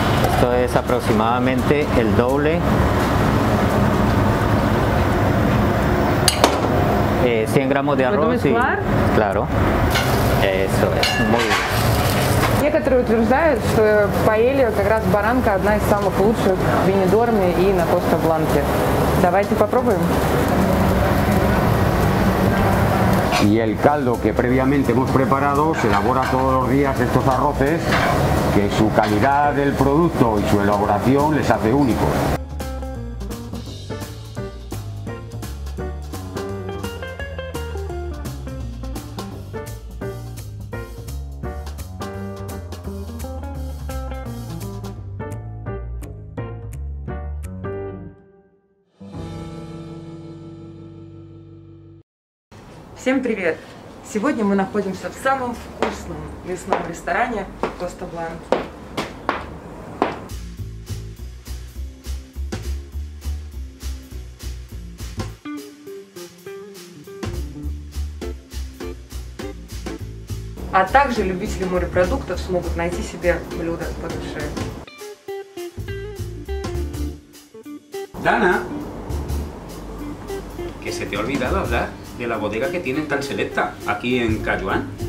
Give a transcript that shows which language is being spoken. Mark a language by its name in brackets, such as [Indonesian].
[Spanish] Esto es aproximadamente el doble de 100 gramos de arroz. ¿Puedo mezclar? Claro. Eso es. Muy bien. [Russian] Некоторые утверждают, что паэлья, как раз баранка, одна из самых лучших в Бенидорме и на Коста Бланке. Давайте попробуем. [Spanish] Y el caldo que previamente hemos preparado se elabora todos los días estos arroces, que su calidad del producto y su elaboración les hace únicos. [Russian] Всем привет! Сегодня мы находимся в самом вкусном мясном ресторане Коста Бланка. А также любители морепродуктов смогут найти себе блюдо по душе. Дана! [Spanish] Que se te ha olvidado hablar de la bodega que tienen tan selecta aquí en Cayuán.